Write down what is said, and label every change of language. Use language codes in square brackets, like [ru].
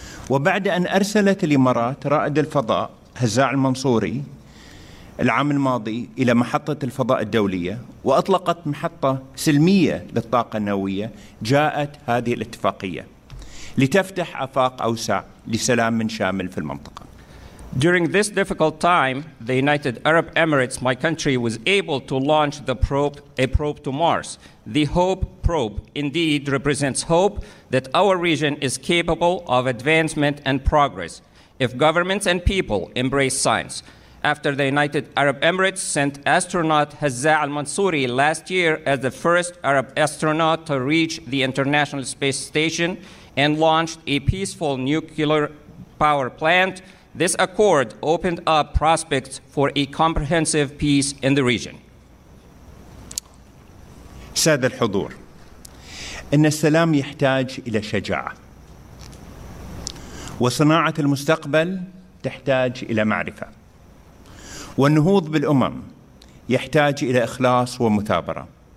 [ar] وبعد أن أرسلت الإمارات رائد الفضاء هزاع المنصوري العام الماضي إلى محطة الفضاء الدولية وأطلقت محطة سلمية للطاقة النووية، جاءت هذه الاتفاقية لتفتح آفاق أوسع لسلام من شامل في المنطقة. [en] During this difficult time, the United Arab Emirates, my country, was able to launch a probe to Mars. The HOPE probe indeed represents hope that our region is capable of advancement and progress if governments and people embrace science. After the United Arab Emirates sent astronaut Hazza Al-Mansouri last year as the first Arab astronaut to reach the International Space Station and launched a peaceful nuclear power plant, this accord opened up prospects for a comprehensive peace in the region. [ar] سادة الحضور، إن السلام يحتاج إلى شجاعة، وصناعة المستقبل تحتاج إلى معرفة، والنهوض بالأمم يحتاج إلى إخلاص ومثابرة.